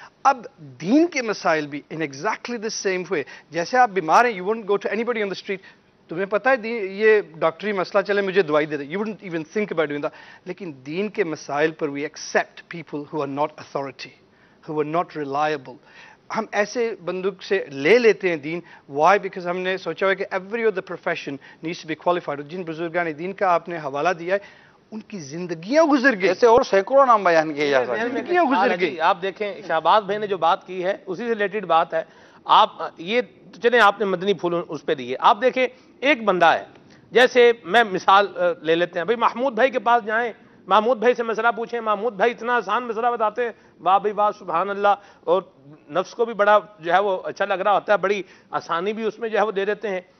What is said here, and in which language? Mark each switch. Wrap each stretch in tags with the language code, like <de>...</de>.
<ur>اب دین کے مسائل بھی</ur> <en>in exactly the same way,</en> <ur>جیسے آپ بیمار ہیں</ur> <en>you won't go to anybody on the street,</en> <ur>تمہیں پتا ہے یہ ڈاکٹری مسئلہ چلے مجھے دوائی دے دے,</ur> <en>You won't even think about doing the.</en> <ur>لیکن دین کے مسائل پر</ur> <en>We accept people who are not authority, who are not reliable.</en> <ur>ہم ایسے بندوق سے لے لیتے ہیں دین.</ur> <en>Why? Because</en> <ur>ہم نے سوچا ہوا کہ</ur> <en>Every of the profession needs to be qualified.</en> <ur>جن بزرگان نے دین کا آپ نے حوالہ دیا ہے ان کی زندگیاں گزر گئی, ایسے اور سینکڑوں نام بیان کیے جا سکتے ہیں, زندگیاں گزر گئی. آپ دیکھیں شہباز بھائی نے جو بات کی ہے اسی سے ریلیٹڈ بات ہے. آپ یہ چلیں آپ نے مدنی پھول اس پہ دیے. آپ دیکھیں ایک بندہ ہے, جیسے میں مثال لے لیتے ہیں بھائی, محمود بھائی کے پاس جائیں, محمود بھائی سے مسئلہ پوچھیں, محمود بھائی اتنا آسان مسئلہ بتاتے ہیں, واہ بھائی واہ سبحان اللہ, اور نفس کو بھی بڑا جو ہے وہ اچھا لگ رہا ہوتا ہے, بڑی آسانی بھی اس میں جو ہے وہ دے دیتے ہیں.</ur>